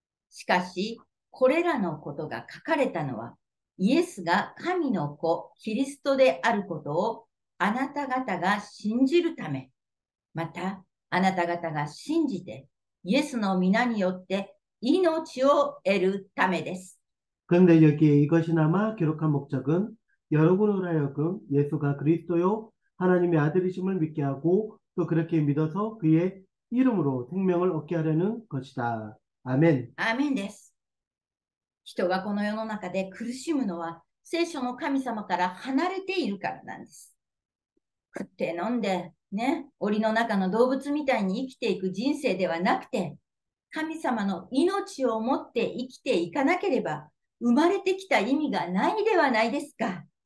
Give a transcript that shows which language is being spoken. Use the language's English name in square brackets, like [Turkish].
[Japanese] しかし、これらのことが書かれたのは、イエスが神の子、キリストであることをあなた方が信じるため、また、あなた方が信じて、イエスの皆によって命を得るためです。 [Korean] 근데 여기에 이것이 남아 기록한 목적은 여러분으로 하여금 예수가 그리스도요 하나님의 아들이심을 믿게 하고 또 그렇게 믿어서 그의 이름으로 생명을 얻게 하려는 것이다. 아멘. [Japanese] 아멘 です。人がこの世の中で苦しむのは、聖書の神様から離れているからなんです。食って飲んで、ね、檻の中の動物みたいに生きていく人生ではなくて、神様の命を持って生きていかなければ、生まれてきた意味がないではないですか。